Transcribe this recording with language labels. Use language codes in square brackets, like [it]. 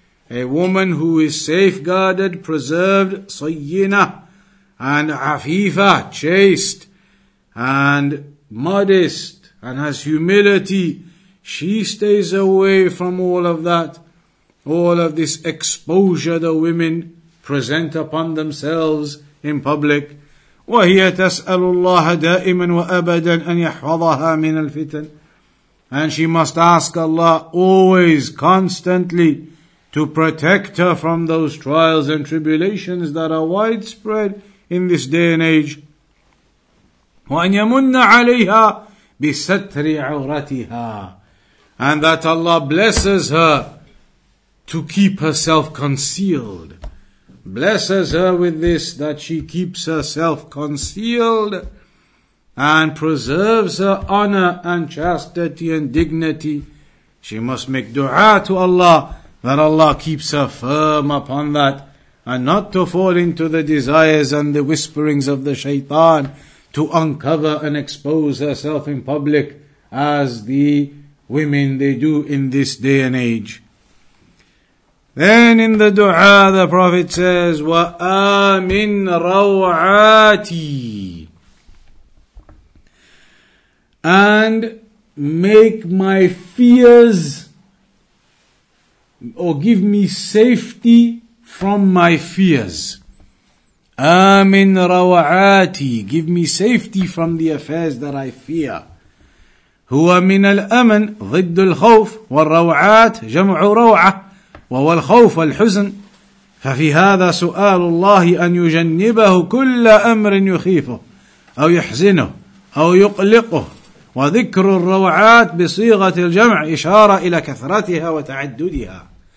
[en] A woman who is safeguarded, preserved, صينة, and afifa, chaste, and modest, and has humility, she stays away from all of that, all of this exposure the women present upon themselves in public. [ar] وهي تسأل الله دائما وأبدا أن يحفظها من الفتن. [en] And she must ask Allah always, constantly, to protect her from those trials and tribulations that are widespread in this day and age. [ar] وأن يمن عليها بستر عورتها. [en] And that Allah blesses her to keep herself concealed. Blesses her with this, that she keeps herself concealed and preserves her honor and chastity and dignity. She must make dua to Allah that Allah keeps her firm upon that and not to fall into the desires and the whisperings of the shaitan to uncover and expose herself in public as the women they do in this day and age. Then in the dua, the Prophet says, [ar] وَآمِن رَوْعَاتِ. [en] And make my fears, or give me safety from my fears. [ar] آمِن رَوْعَاتِ. [en] Give me safety from the affairs that I fear. [ar] هُوَ مِنَ الْأَمَنِ ضِدُّ الْخَوْفِ وَالرَّوْعَاتِ جَمْعُ رَوْعَةِ وهو الخوف والحزن ففي هذا سؤال الله أن يجنبه كل أمر يخيفه أو يحزنه أو يقلقه وذكر الروعات بصيغة الجمع إشارة إلى كثرتها وتعددها.